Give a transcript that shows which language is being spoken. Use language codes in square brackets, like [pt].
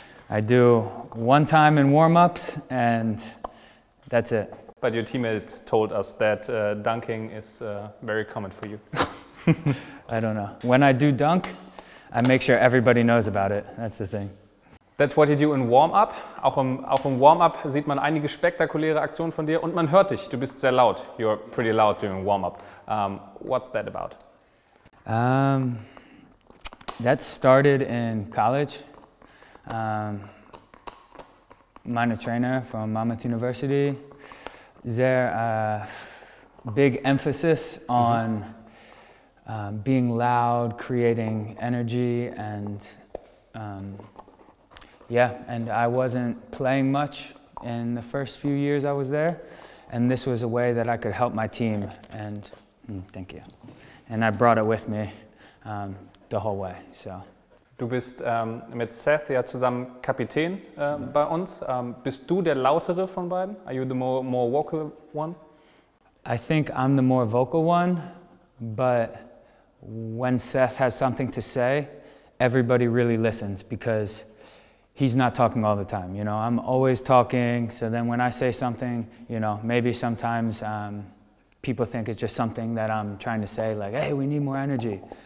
[en] I do one time in warm-ups and that's it. But your teammates told us that dunking is very common for you. I don't know. When I do dunk, I make sure everybody knows about it. That's the thing. That's what you do in warm-up. [de] Auch im warm-up sieht man einige spektakuläre Aktionen von dir und man hört dich. Du bist sehr laut. [en] You're pretty loud during warm-up. What's that about? That started in college. [de] Meine Trainer [en] from Mammoth University, sehr big emphasis on being loud, creating energy, and and I wasn't playing much in the first few years I was there, and this was a way that I could help my team, and thank you. And I brought it with me the whole way, so. [de] Du bist mit Seth ja zusammen Kapitän bei uns. Bist du der lautere von beiden? [en] Are you the more vocal one? I think I'm the more vocal one, but when Seth has something to say, everybody really listens because he's not talking all the time. You know, I'm always talking. So then when I say something, you know, maybe sometimes people think it's just something that I'm trying to say, like, hey, we need more energy.